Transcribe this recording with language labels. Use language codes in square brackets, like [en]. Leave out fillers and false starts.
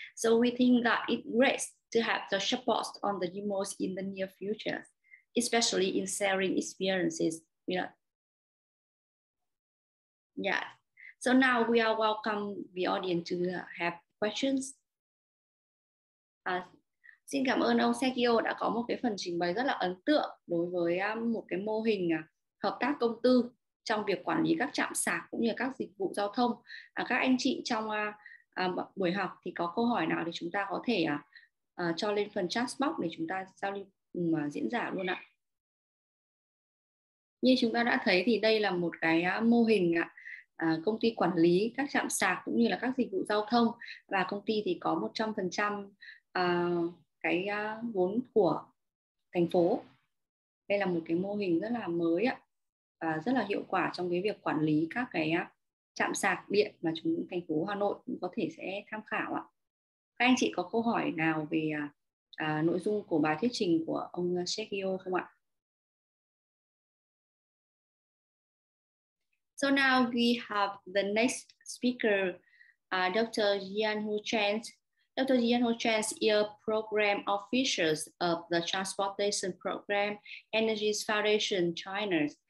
[en] So we think that it's great to have the support on the demos in the near future, especially in sharing experiences. Yeah. So now we are welcome the audience to have questions. [vi] Xin cảm ơn ông Sergio đã có một cái phần trình bày rất là ấn tượng đối với một cái mô hình hợp tác công tư trong việc quản lý các trạm sạc cũng như các dịch vụ giao thông. Các anh chị trong buổi học thì có câu hỏi nào thì chúng ta có thể cho lên phần chat box để chúng ta giao lưu cùng diễn giả luôn ạ. Như chúng ta đã thấy thì đây là một cái mô hình công ty quản lý các trạm sạc cũng như là các dịch vụ giao thông, và công ty thì có 100% cái vốn của thành phố. Đây là một cái mô hình rất là mới ạ, và rất là hiệu quả trong cái việc quản lý các cái trạm sạc điện mà chúng thành phố Hà Nội cũng có thể sẽ tham khảo ạ. Các anh chị có câu hỏi nào về nội dung của bài thuyết trình của ông Sergio không ạ? [en] So now we have the next speaker, Dr. Yanhu Chen. Dr. Yanhu Chen is a program officer of the Transportation Program Energies Foundation China.